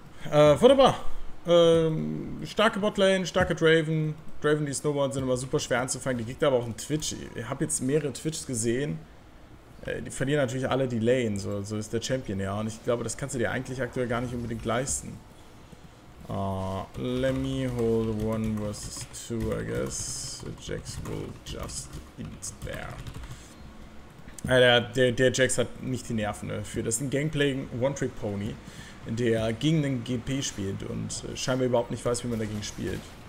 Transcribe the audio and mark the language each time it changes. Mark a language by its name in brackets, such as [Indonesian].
[German] Wunderbar. Starke Botlane, starke Draven. Draven, die Snowboard sind immer super schwer anzufangen. Die Gegner aber auch ein Twitch. Ich habe jetzt mehrere Twitches gesehen. Die verlieren natürlich alle die Lane. So ist der Champion, ja. Und ich glaube, das kannst du dir eigentlich aktuell gar nicht unbedingt leisten. [English] Let me hold one versus two, I guess. The Jax will just eat there. [German] Der Jax hat nicht die Nerven dafür. Das ist ein Gangplank One-Trick-Pony, der gegen den GP spielt und scheinbar überhaupt nicht weiß, wie man dagegen spielt.